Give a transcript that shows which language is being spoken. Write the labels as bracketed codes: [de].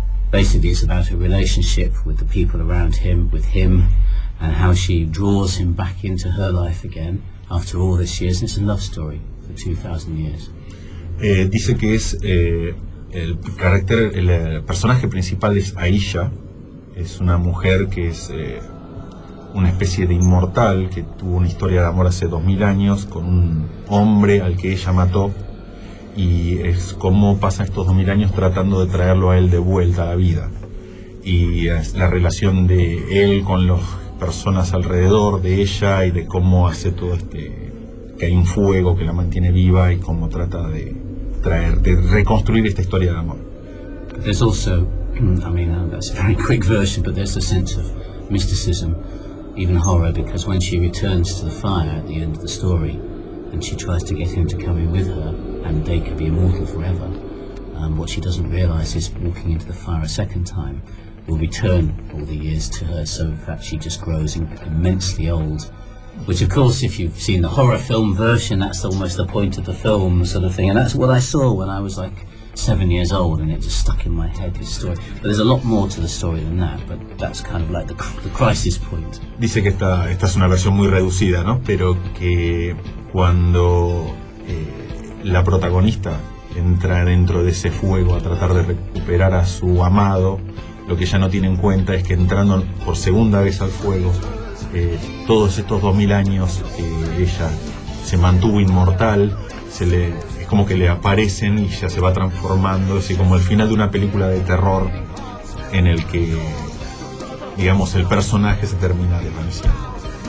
[en] Basically, it's about her relationship with the people around him, with him, and how she draws him back into her life again after all these years. And it's a love story for 2,000 years. [es] Dice que es el carácter, el personaje principal es Aisha. Es una mujer que es una especie de inmortal que tuvo una historia de amor hace 2000 años con un hombre al que ella mató, y es como pasa estos 2000 años tratando de traerlo a él de vuelta a la vida, y es la relación de él con las personas alrededor de ella, y de cómo hace todo este, que hay un fuego que la mantiene viva, y cómo trata de traer, de reconstruir esta historia de amor. [en] There's also, that's a very quick version, but there's a sense of mysticism, even horror, because when she returns to the fire at the end of the story, and she tries to get him to come in with her, and they could be immortal forever, what she doesn't realize is walking into the fire a second time will return all the years to her, so in fact she just grows immensely old. Which of course, if you've seen the horror film version, that's almost the point of the film sort of thing, and that's what I saw when I was like 7 years old, and it just stuck in my head, this story. But there's a lot more to the story than that, but that's kind of like the crisis point. [es] Dice que esta es una versión muy reducida, ¿no? Pero que cuando la protagonista entra dentro de ese fuego a tratar de recuperar a su amado, lo que ella no tiene en cuenta es que entrando por segunda vez al fuego, todos estos 2000 años que ella se mantuvo inmortal, es como que le aparecen y ya se va transformando, así como el final de una película de terror en el que, digamos, el personaje se termina desvaneciendo.